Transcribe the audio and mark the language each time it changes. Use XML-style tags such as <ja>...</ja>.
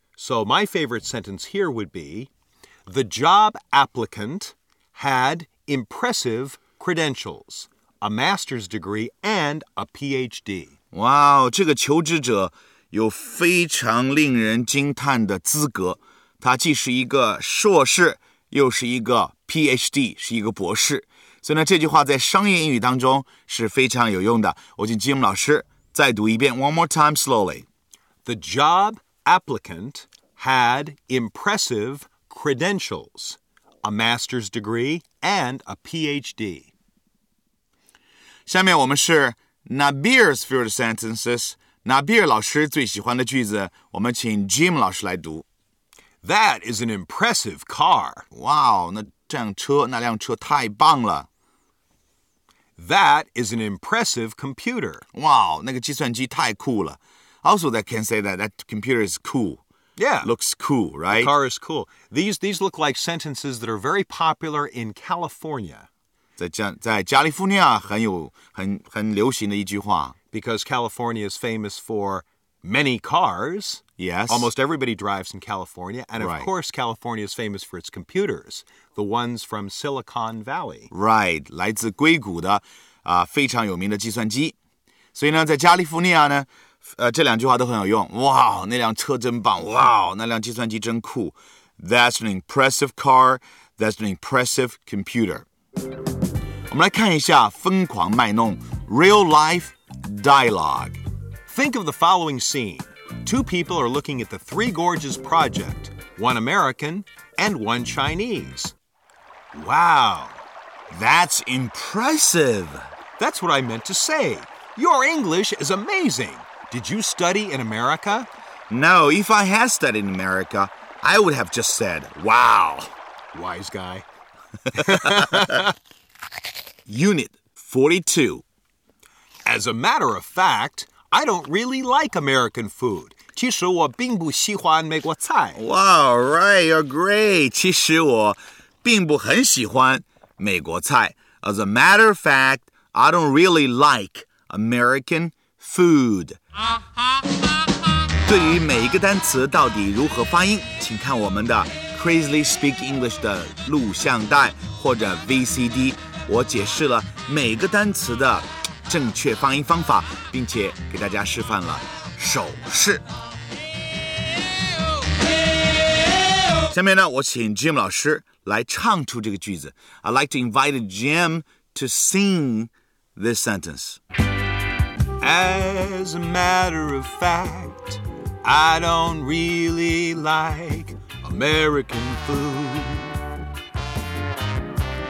<en>So my favorite sentence here would be, the job applicant had impressive credentials, a master's degree and a PhD.</en> <zh>Wow, 这个求职者有非常令人惊叹的资格，他既是一个硕士，又是一个 PhD， 是一个博士。所以呢，这句话在商业英语当中是非常有用的。我请 Jim 老师再读一遍 ，</zh> <en>one more time slowly。 The job applicant had impressive credentials, a master's degree and a PhD.</en> <zh>下面我们是</zh> <en>Nabir's favorite sentences.</en> <zh>Nabir 老师最喜欢的句子，我们请 Jim 老师来读。</zh> <en>That is an impressive car.</en> <zh>Wow, 那辆车太棒了。</zh> <en>That is an impressive computer.</en> <zh>Wow, 那个计算机太酷了。</zh> <en>Also, I can say that computer is cool. Yeah. Looks cool, right? The car is cool. These look like sentences that are very popular in California.</en> <zh>在加利福尼亚很流行的一句话。</zh> <en>Because California is famous for many cars. Yes. Almost everybody drives in California. And of course, California is famous for its computers. The ones from Silicon Valley. Right.</en> <zh>来自硅谷的非常有名的计算机。所以呢，在加利福尼亚呢，这两句话都很有用。哇，那辆车真棒。哇，那辆计算机真酷。</zh> <en>That's an impressive car. That's an impressive computer.</en> <zh>我们来看一下疯狂卖弄</zh> <en>real life dialogue. Think of the following scene. Two people are looking at the Three Gorges project. One American and one Chinese. Wow, that's impressive. That's what I meant to say. Your English is amazing. Did you study in America? No, if I had studied in America, I would have just said, wow. Wise guy. Unit 42. As a matter of fact, I don't really like American food.</en> <zh>其实我并不喜欢美国菜。</zh> <en>Wow, right, you're great.</en> <zh>其实我并不很喜欢美国菜。</zh> <en>As a matter of fact, I don't really like American food.</en> <zh>对于每一个单词到底如何发音，请看我们的 Crazily Speak English 的录像带或者 VCD， 我解释了每个单词的正确发音方法，并且给大家示范了手势。下面呢，我请 Jim 老师来唱出这个句子。</zh> <en>I'd like to invite Jim to sing this sentence. As a matter of fact, I don't really like American food.</en>